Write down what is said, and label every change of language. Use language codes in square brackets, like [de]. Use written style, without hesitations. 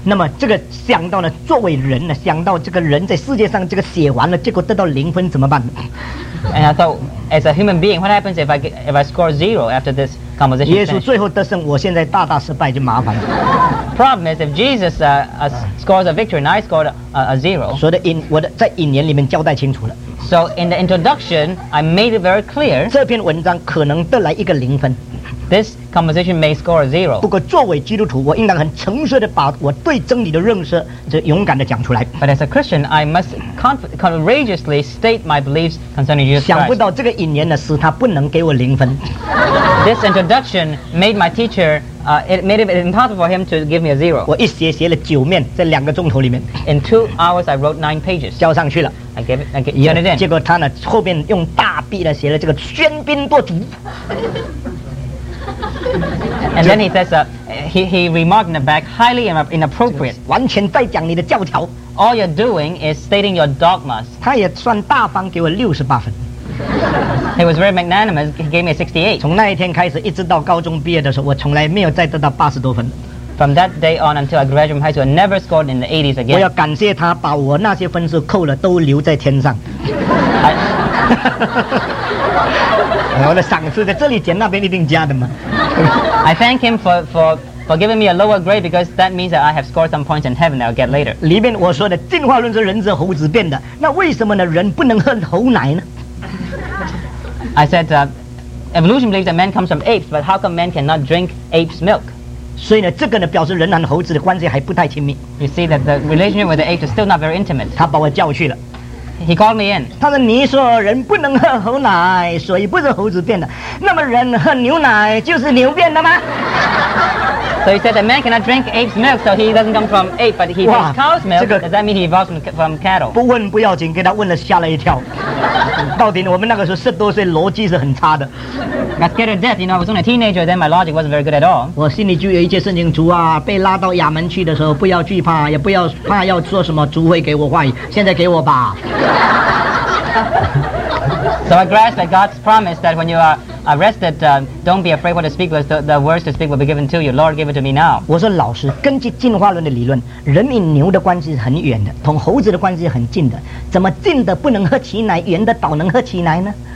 [zh] 那么这个想到呢，作为人呢，想到这个人在世界上这个写完了，结果得到零分怎么办 [en] ？And I thought, as a human being, what happens if I score zero after this composition? [zh] 耶稣最后得胜，我现在大大失败就麻烦了。 [en] Problem is, if Jesus scores a victory and I scored a zero. [zh] 说的引我的在引言里面交代清楚了。 [en] So in the introduction, I made it very clear. [zh] 这篇文章可能得来一个零分。 [en] This composition may score a zero. [zh] 不过作为基督徒，我应当很诚实地把我对真理的认识，这勇敢地讲出来。 [en] But as a Christian, I must courageously state my beliefs concerning Jesus Christ. [zh] 想不到这个引言呢，使他不能给我零分。 [en] This introduction made my teacher, it made it impossible for him to give me a zero. [zh] 我一写写了九面，在两个钟头里面。 [en] In 2 hours, I wrote 9 pages. [zh] 交上去了。 [en] I gave it in. [zh] 结果他呢，后面用大笔呢写了这个喧宾夺主。 [en] And then he says, he remarked in the back, highly inappropriate. [zh] 完全在讲你的教条。 [en] All you're doing is stating your dogmas. [zh] 他也算大方，给我68分。 [en] He was very magnanimous. He gave me 68. [zh] 从那一天开始，一直到高中毕业的时候，我从来没有再得到80多分。 [en] From that day on until I graduated from high school, I never scored in the 80s again. [zh] 我要感谢他，把我那些分数扣了，都留在天上。我的赏赐在这里减，那边一定加的嘛。 [en] I thank him for giving me a lower grade because that means that I have scored some points in heaven that I'll get later. [zh] 里面我说的进化论是人是猴子变的，那为什么呢？人不能喝猴奶呢 [en] ？I said evolution believes that man comes from apes, but how come man cannot drink apes' milk? [zh] 所以呢，这个呢表示人和猴子的关系还不太亲密。 [en] You see that the relationship with the apes is still not very intimate. [zh] 他把我叫去了。 [en] He called me in. [zh] 他说：“你说人不能喝猴奶，所以不是猴子变的。那么人喝牛奶就是牛变的吗 [en] ？”So he said that man cannot drink ape's milk, so he doesn't come from ape, but he drinks cow's milk. 这个、Does that mean he evolves from cattle? [zh] 不问不要紧，给他问了吓了一跳。到底我们那个时候十多岁，逻辑是很差的。 [en] I was scared to death. You know, I was only a teenager. Then my logic wasn't very good at all. [zh] 我心里就有一句圣经主啊，被拉到亚门去的时候，不要惧怕，也不要怕要做什么，主会给我话语。现在给我吧。 [en] So I grasped that God's promise that when you are arrested, don't be afraid what to speak, because the words to speak will be given to you. Lord, give it to me now. [zh] 我说老师，根据进化论的理论，人与牛的关系是很远的，同猴子的关系是很近的。怎么近的不能喝奶奶，远的倒能喝奶奶呢？